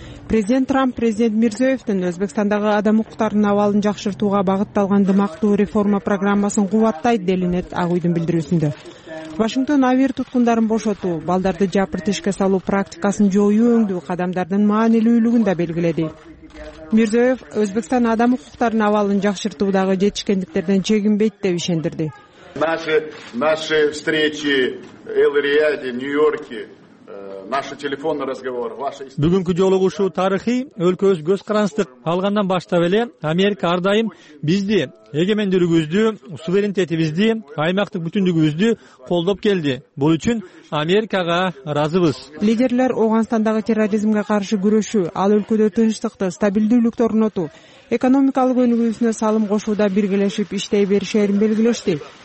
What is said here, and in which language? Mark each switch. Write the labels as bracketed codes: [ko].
[ky] Президент Трамп президент Мирзиёевдин Өзбекстандагы адам укуктарынын абалын жакшыртууга багытталган дымактуу реформа программасын кубаттайт, делинет Ак Үйдүн билдирүүсүндө. Вашингтон АВИР туткундарын бошотуу, балдарды жапыртышка салуу практикасын жоюу өңдүү кадамдардын маанилүүлүгүн да белгиледи. Мирзиёев Өзбекстан адам укуктарынын абалын жакшыртуудагы жетишкендиктерден чегинбейт деп ишендирди. [ru] Наши встречи в Эль-Рияде, Нью-Йорке, наши телефонные разговоры, ваши истории. [ky] Бүгүнкү жолугушуу тарыхый, өлкөбүз көз карандык алгандан баштап эле Америка ар дайым бизди, эгемендүүлүгүбүздү, суверенитетибизди, аймактык бүтүндүгүбүздү колдоп келди. Бул үчүн Америкага ыраазыбыз. Лидерлер Ооганстандагы терроризмге каршы күрөшүү, ал өлкөдө тынчтыкты, стабилдүүлүктү орнотуу, экономикалык өнүгүүсүнө салым кошууда биргелешип иштей беришерин белгилешти.